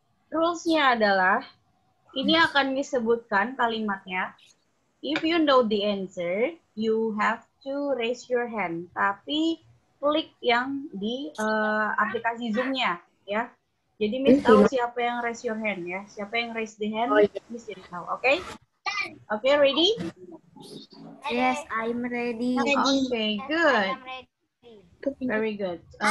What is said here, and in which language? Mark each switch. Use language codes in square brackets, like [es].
[id] Rules-nya adalah ini akan disebutkan kalimatnya. [en] If you know the answer, you have to raise your hand. [id] Tapi klik yang di aplikasi Zoom-nya, ya. Jadi Miss tahu siapa yang [en] raise your hand, [id] ya. Siapa yang [en] raise the hand, [id] Miss jadi tahu. Oke? Okay? Oke, okay, [en] ready? Yes, I'm ready. Okay, good. Very good.